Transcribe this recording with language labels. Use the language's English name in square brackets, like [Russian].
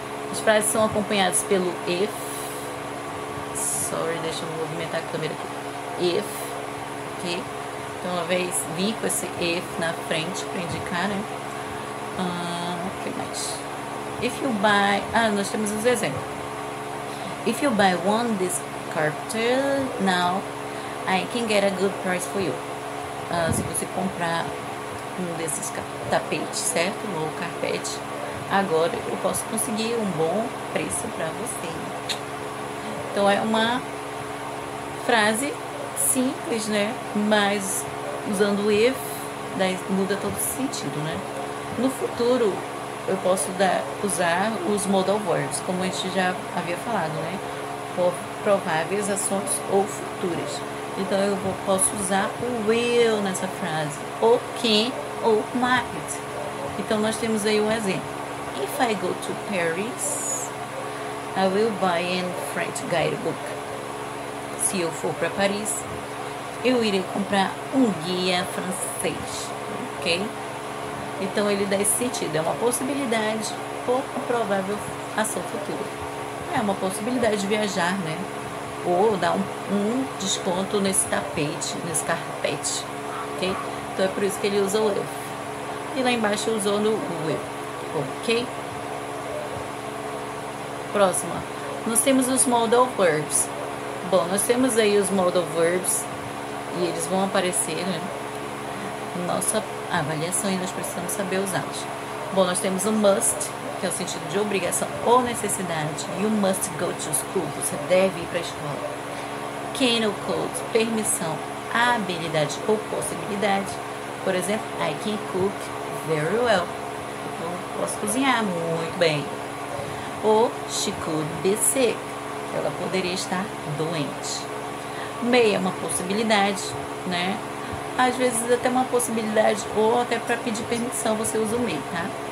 [Portuguese] As frases são acompanhadas pelo if. [English] Sorry, [Portuguese] deixa eu movimentar a câmera aqui. If, ok? Então uma vez vim com esse if na frente para indicar, né? O que mais? [English] If you buy, [Portuguese] nós temos os exemplos. [English] If you buy one this carpet now, I can get a good price for you. [Portuguese] Se você comprar um desses tapetes, certo? Ou carpete, agora eu posso conseguir um bom preço para você. Então é uma frase simples, né? Mas usando o if, muda todo o sentido, né? No futuro, eu posso usar os modal verbs, como a gente já havia falado, né? Prováveis ações ou futuras. Então eu posso usar o will nessa frase, ou can ou might. Então nós temos aí um exemplo. [English] If I go to Paris, I will buy a French guidebook. [Portuguese] Se eu for para Paris, eu irei comprar um guia francês, ok? Então ele dá esse sentido, é uma possibilidade ou uma provável ação futura. É uma possibilidade de viajar, né? Ou dar um desconto nesse tapete, nesse carpete, ok? Então é por isso que ele usa o eu. E lá embaixo usou no will, ok? Próxima. Nós temos os modal verbs. Bom, nós temos aí os modal verbs e eles vão aparecer, né? Nossa avaliação e nós precisamos saber usá-los. Bom, nós temos o must, que é o sentido de obrigação ou necessidade. [English] You must go to school, [Portuguese] você deve ir para a escola. Can ou could, permissão, habilidade ou possibilidade. Por exemplo, [English] I can cook very well. [Portuguese] Eu posso cozinhar muito bem. Ou [English] she could be sick, [Portuguese] ela poderia estar doente. May é uma possibilidade, né? Às vezes até uma possibilidade, ou até para pedir permissão, você usa o may, tá?